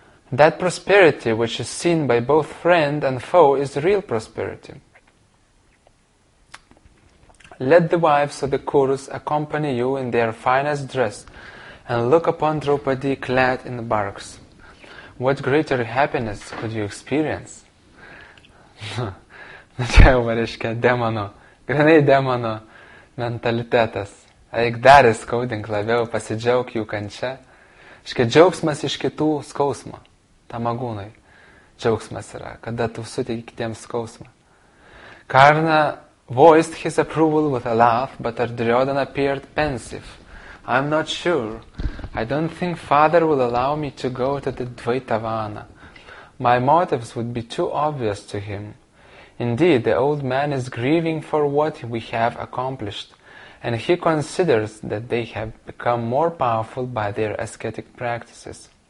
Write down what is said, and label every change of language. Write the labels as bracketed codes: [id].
[en] That prosperity which is seen by both friend and foe is real prosperity. Let the wives of the Kurus accompany you in their finest dress and look upon Draupadi clad in the barks. What greater happiness could you experience? [lt] Čia jau reiškia demono, grinai demono mentalitetas. Eik dar įskaudink labiau, pasidžiauk jų kančia. Reiškia džiaugsmas iš kitų skausmo. Tamagūnai džiaugsmas yra, kada tu suteiki kitiems skausmą. [en] Karna voiced his approval with a laugh, but Duryodhana appeared pensive. I'm not sure. I don't think father will allow me to go to the Dvaitavana. My motives would be too obvious to him. Indeed, the old man is grieving for what we have accomplished, and he considers that they have become more powerful by their ascetic practices.